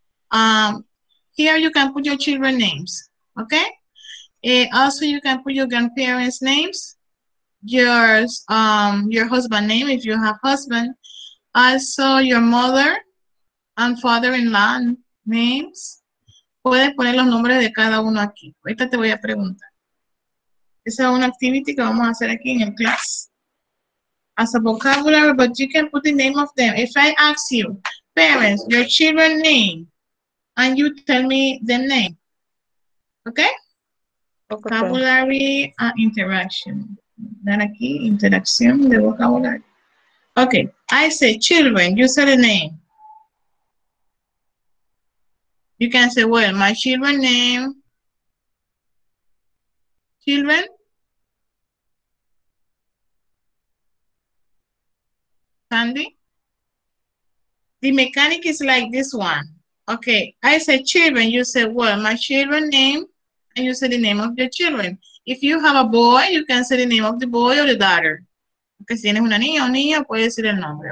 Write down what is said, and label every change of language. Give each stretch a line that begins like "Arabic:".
English: Here you can put your children names, okay? Also, you can put your grandparents' names, your husband's name, if you have husband. Also, your mother and father-in-law names.
Spanish: Puedes poner los nombres de cada uno aquí. Ahorita te voy a preguntar. Esa es una activity que vamos a hacer aquí en el class.
English: As a vocabulary, but you can put the name of them. If I ask you, parents, your children's name, and you tell me the name. Okay? Vocabulary and interaction.
Spanish: Dar aquí, interacción de vocabulario.
English: Okay, I say children, you say the name. You can say, well, my children name. Children? Sandy? The mechanic is like this one. Okay, I say children, you say, well, my children name. And you say the name of your children. If you have a boy, you can say the name of the boy or the daughter.
Spanish: Porque si tienes una niña o niña, puedes decir el nombre.